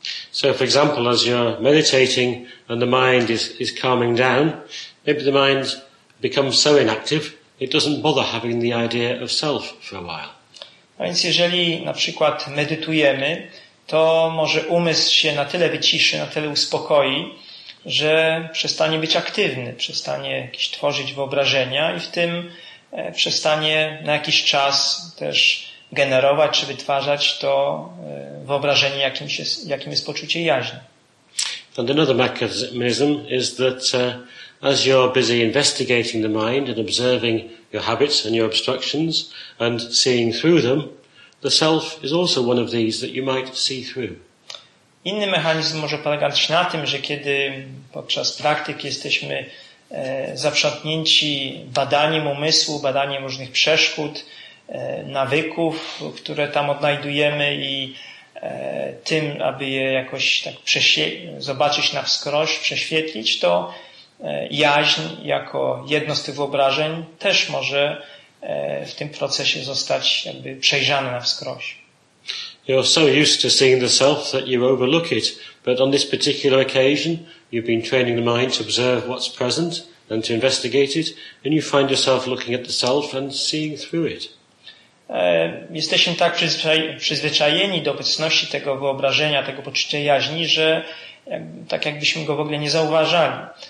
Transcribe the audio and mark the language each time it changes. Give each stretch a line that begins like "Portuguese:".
English: So for example, as you're meditating and the mind is calming down, maybe the mind becomes so inactive it doesn't bother having the idea of self for a while.
Polish: A więc jeżeli na przykład medytujemy, to może umysł się na tyle wyciszy, na tyle uspokoi, że przestanie być aktywny, przestanie jakieś tworzyć wyobrażenia i w tym przestanie na jakiś czas też generować czy wytwarzać to wyobrażenie, jakim jest poczucie jaźni.
English: And another mechanism is that as you're busy investigating the mind and observing your habits and your obstructions and seeing through them, the self is also one of these that you might see through.
Polish: Inny mechanizm może polegać na tym, że kiedy podczas praktyki jesteśmy zaprzątnięci badaniem umysłu, badaniem różnych przeszkód, nawyków, które tam odnajdujemy i tym, aby je jakoś tak zobaczyć na wskroś, prześwietlić, to jaźń jako jedno z tych wyobrażeń też może w tym procesie zostać jakby przejrzane na wskroś.
English: You're so used to seeing the self that you overlook it, but on this particular occasion you've been training the mind to observe what's present and to investigate it, and you find yourself looking at the self and seeing through it.
Polish: Jesteśmy tak przyzwyczajeni do obecności tego wyobrażenia, tego poczucia jaźni, że tak jakbyśmy go w ogóle nie zauważali.